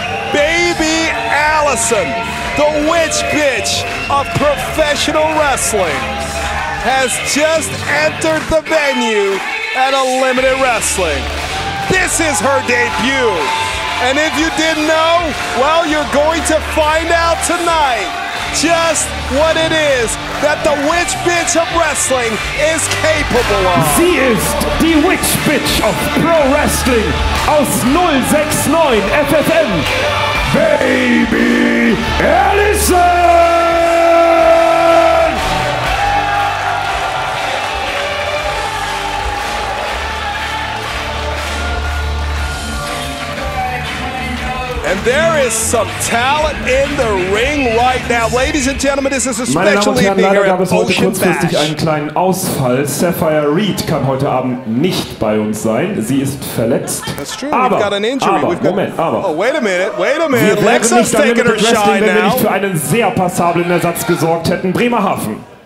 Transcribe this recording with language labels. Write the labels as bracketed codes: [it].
[en] Baby Allison, the witch bitch of professional wrestling, has just entered the venue at Unlimited Wrestling. This is her debut. And if you didn't know, well, you're going to find out tonight just what it is that the witch bitch of wrestling is capable of. [de] Sie ist die [en] witch bitch of pro wrestling [de] aus 069 FFM. Baby Allison! [en] And there is some talent in the ring right now. Ladies and gentlemen, this is a special evening here at Ocean Bash. [de] Leider gab es heute kurzfristig einen kleinen Ausfall. Sapphire Reed kann heute Abend nicht bei uns sein. Sie ist verletzt. [en] That's true. Aber, we've got an injury. [de] Aber, [en] we've got... [de] Moment, aber. [en] Oh, wait a minute. Lexa's taking her shine now. [de] Wenn wir nicht für einen sehr passablen Ersatz gesorgt hätten. Bremerhaven.